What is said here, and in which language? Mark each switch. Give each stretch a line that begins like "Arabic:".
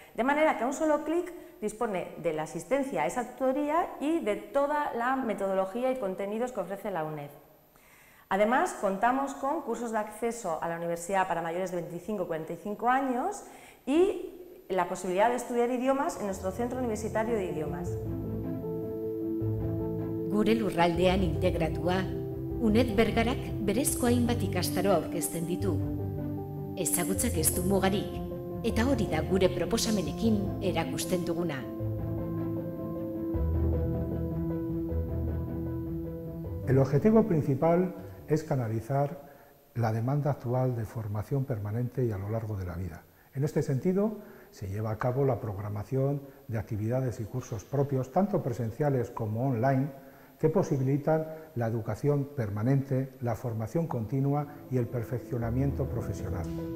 Spanish: De manera que a un solo clic dispone de la asistencia a esa tutoría y de toda la metodología y contenidos que ofrece la UNED. Además, contamos con cursos de acceso a la universidad para mayores de 25-45 años y la posibilidad de estudiar idiomas en nuestro centro universitario de idiomas.
Basque: Gure lurraldean integratua, UNED Vergarak berezko hainbat ikastaro aurkezten ditu. Ezagutzak ez du mugarik, eta hori da gure proposamenekin erakusten duguna.
Spanish: El objetivo principal es canalizar la demanda actual de formación permanente y a lo largo de la vida. En este sentido, se lleva a cabo la programación de actividades y cursos propios, tanto presenciales como online, que posibilitan la educación permanente, la formación continua y el perfeccionamiento profesional.